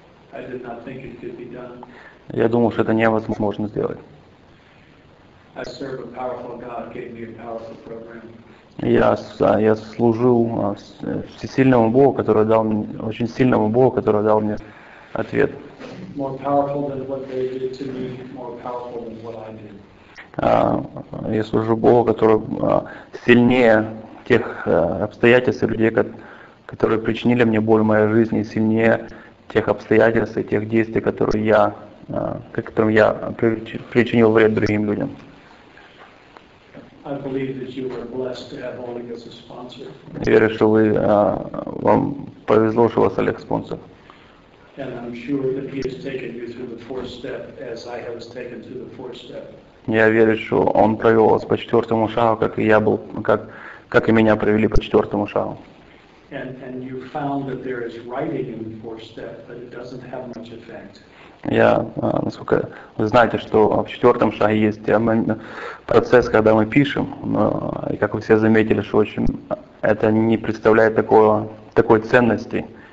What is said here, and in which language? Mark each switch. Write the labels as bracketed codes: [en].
[en] I did not think it could be done. [ru] Я думал, что это невозможно сделать. [en] I serve a powerful God, gave me a powerful program. [ru] Я служу всесильному Богу, который дал мне, очень сильному Богу, который дал мне ответ. [en] More powerful than what they did to me, more powerful than what I did. [ru] Я служу Богу, который сильнее тех обстоятельств и людей, которые причинили мне боль в моей жизни, сильнее тех обстоятельств и тех действий, которые я, которым я причинил вред другим людям. [en] I believe that you were blessed to have Oleg as a sponsor. [ru] Я верю, что вы, вам повезло, что у вас Олег спонсор. [en] And I'm sure that he has taken you through the fourth step as I have taken through the fourth step. [ru] Я верю, что он провел вас по четвертому шагу, как и я был, как и меня провели по четвертому шагу. [en] And you found that there is writing in the fourth step, but it doesn't have much effect. [ru] Я, насколько вы знаете, что в четвертом шаге есть процесс, когда мы пишем, но, как вы все заметили, что очень, это не представляет такой ценности.